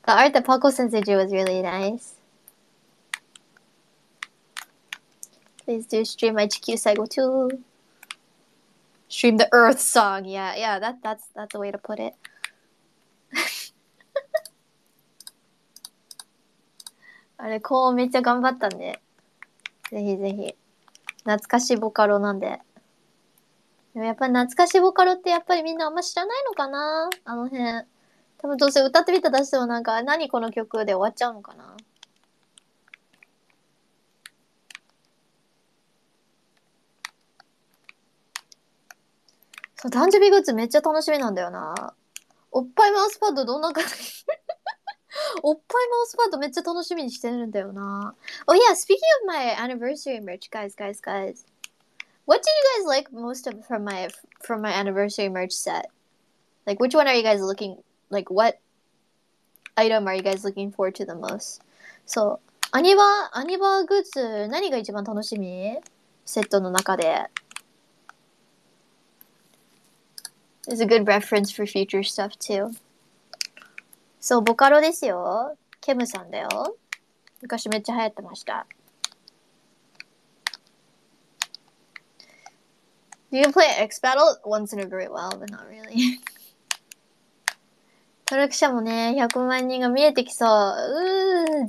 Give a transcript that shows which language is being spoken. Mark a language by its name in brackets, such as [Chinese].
[English] The art that Paco sensei was really nice. Please do stream my 地球最後 too. Stream the earth song. Yeah, yeah, that's the way to put it. [Japanese] あれ、こうめっちゃ頑張ったんで。ぜひぜひ。懐かしいボカロなんで。でもやっぱ懐かしいボカロってやっぱりみんなあんま知らないのかな？あの辺。多分どうせ歌ってみたら出してもなんか、何この曲で終わっちゃうのかな？そう、誕生日グッズめっちゃ楽しみなんだよな。おっぱいマウスパッドどんな感じ？おっぱいマウスパッドめっちゃ楽しみにしてるんだよな。 [English] Oh yeah, speaking of my anniversary merch, guys. What did you guys like most of from my anniversary merch set? Like, which one are you guys looking, like, what item are you guys looking forward to the most? [Japanese] So, アニバグッズ何が一番楽しみ？セットの中で。 [English] It's a good reference for future stuff too. [Japanese] そう、ボカロですよ。ケムさんだよ。昔めっちゃ流行ってました。 [English] Do you play X Battle once in a great while, but not really? [Japanese] トラクシャもね、100万人が見えてきそう。